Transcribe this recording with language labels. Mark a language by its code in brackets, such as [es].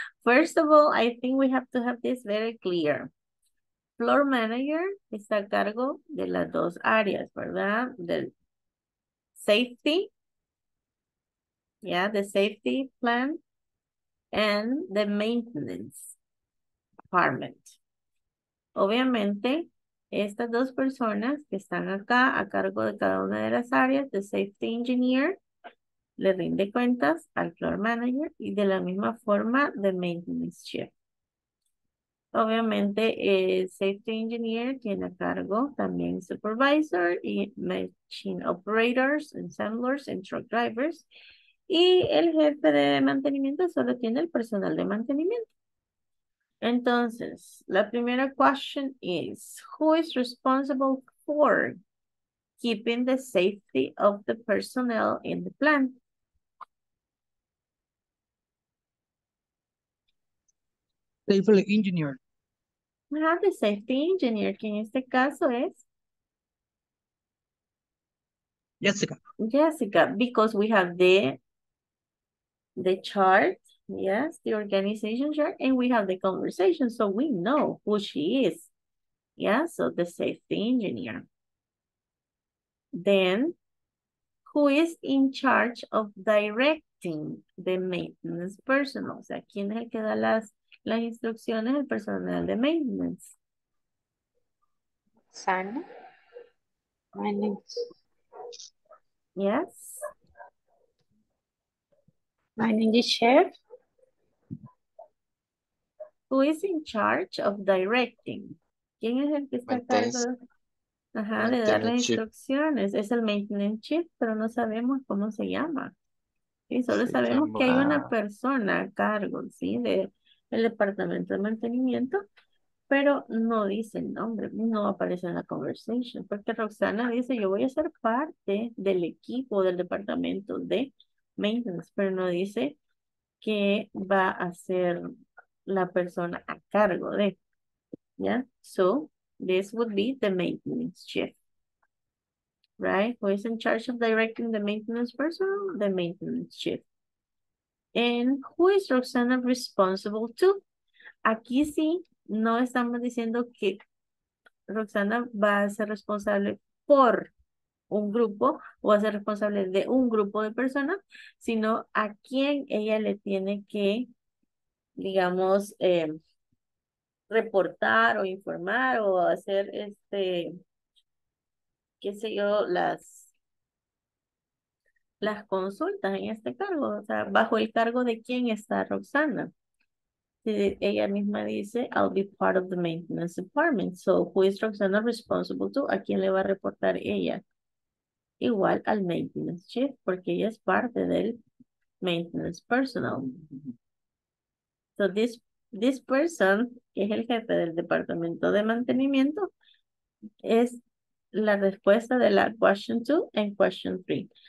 [en] First of all, I think we have to have this very clear. [es] Floor manager está a cargo de las dos áreas, ¿verdad? [en] The safety, yeah, the safety plan, and the maintenance department. [es] Obviamente, estas dos personas que están acá a cargo de cada una de las áreas, the safety engineer, le rinde cuentas al floor manager y de la misma forma the maintenance chief. Obviamente, el safety engineer tiene a cargo también supervisor y machine operators, ensamblers, and truck drivers. Y el jefe de mantenimiento solo tiene el personal de mantenimiento. Entonces, la primera [en] question is, who is responsible for keeping the safety of the personnel in the plant? Safety engineer. Have the safety engineer, [es] que en este caso es Jessica. [en] Jessica, because we have the chart, yes, the organization chart, and we have the conversation, so we know who she is. Yeah, so the safety engineer. Then, who is in charge of directing the maintenance personnel? [es] O sea, ¿quién es el que da las instrucciones al personal de maintenance? [en] Sana. Manage. Yes. Manage chef. Who is in charge of directing? [es] ¿Quién es el que está a cargo? Ajá, de dar las instrucciones. Es el maintenance chief, pero no sabemos cómo se llama. Y solo sabemos que hay una persona a cargo, ¿sí? De el departamento de mantenimiento, pero no dice el nombre, no aparece en la conversation, porque Roxana dice, yo voy a ser parte del equipo del departamento de maintenance, pero no dice que va a ser la persona a cargo de, ¿ya? [en] Yeah? So, this would be the maintenance chief, right? Who is in charge of directing the maintenance person? The maintenance chief. And who is Roxana responsible to? [es] Aquí sí, no estamos diciendo que Roxana va a ser responsable por un grupo o va a ser responsable de un grupo de personas, sino a quién ella le tiene que, digamos, reportar o informar o hacer este, qué sé yo, las consultas en este cargo, o sea, bajo el cargo de quién está Roxana. Ella misma dice, [en] I'll be part of the maintenance department. So, who is Roxana responsible to? [es] ¿A quién le va a reportar ella? Igual al maintenance chief, porque ella es parte del maintenance personnel. [en] So, this person, [es] que es el jefe del departamento de mantenimiento, es la respuesta de la [en] question 2 and question 3.